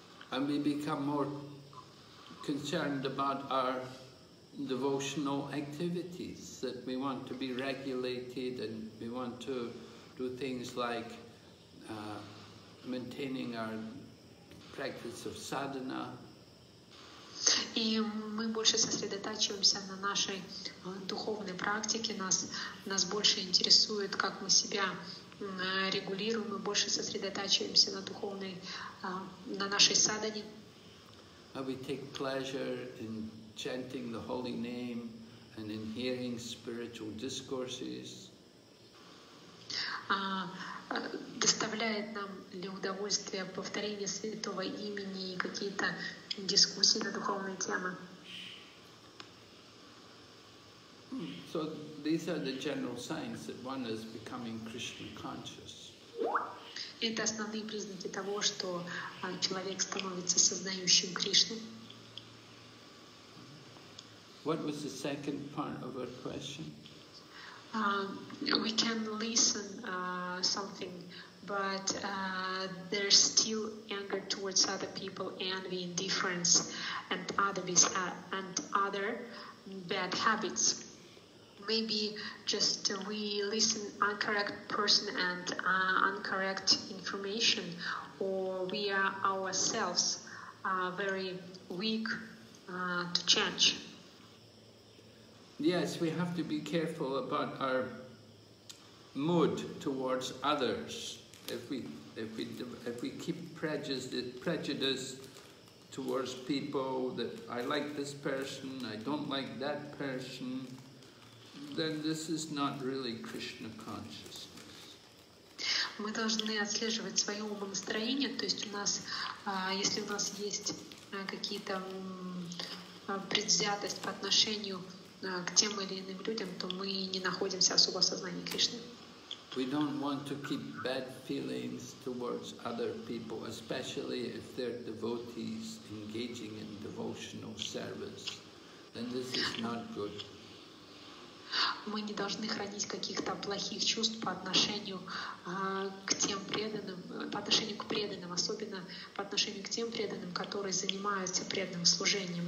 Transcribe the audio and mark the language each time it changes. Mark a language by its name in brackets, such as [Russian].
[English] And we become more concerned about our devotional activities, that we want to be regulated and we want to do things like maintaining our practice of sadhana. [Russian] И мы больше сосредотачиваемся на нашей духовной практике, нас больше интересует, как мы себя регулируем, мы больше сосредотачиваемся на духовной, на нашей садхане. [English] We take pleasure in chanting the holy name and in hearing spiritual discourses. [Russian] Доставляет нам ли удовольствие повторение святого имени и какие-то дискуссии на духовные темы? [English] So these are the general signs that one is becoming Krishna conscious. [Russian] Это основные признаки того, что человек становится сознающим Кришну. [English] What was the second part of our question? We can listen something, but there's still anger towards other people, envy, indifference, and other bad habits. Maybe just we listen incorrect person and incorrect information, or we are ourselves very weak to change. Yes, we have to be careful about our mood towards others. If we keep prejudice towards people, that I like this person, I don't like that person, then this is not really Krishna consciousness. [Russian] Мы должны отслеживать свое умонастроение, то есть у нас, если у нас есть какие-то предвзятость по отношению к тем или иным людям, то мы не находимся особо в сознании Кришны. [English] We don't want to keep bad feelings towards other people, especially if they're devotees engaging in devotional service. Then this is not good. [Russian] Мы не должны хранить каких-то плохих чувств по отношению к тем преданным, по отношению к преданным, особенно по отношению к тем преданным, которые занимаются преданным служением.